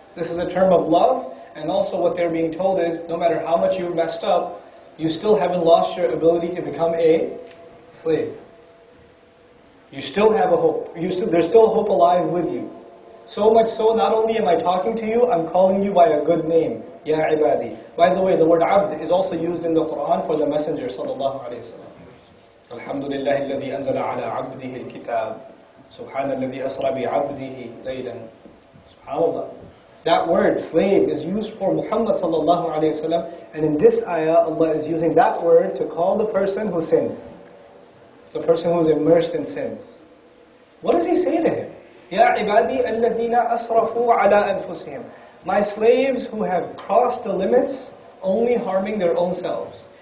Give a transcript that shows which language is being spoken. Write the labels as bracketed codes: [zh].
[en] This is a term of love, and also what they're being told is, no matter how much you've messed up, you still haven't lost your ability to become a slave. You still have a hope. There's still hope alive with you. So much so, not only am I talking to you, I'm calling you by a good name. Ya ibadi. By the way, the word abd is also used in the Quran for the messenger, sallallahu alayhi wa sallam. [ar] Alhamdulillah, الذي أنزل على عبده الكتاب. سبحان الذي أسرى بعبده ليلا. [en] SubhanAllah. That word, slave, is used for Muhammad sallallahu alayhi wa sallam. And in this ayah, Allah is using that word to call the person who sins. The person who is immersed in sins. What does he say to him? [ar] Ya ibadi alladhina asrafu ala anfusihim. [en] My slaves who have crossed the limits, only harming their own selves.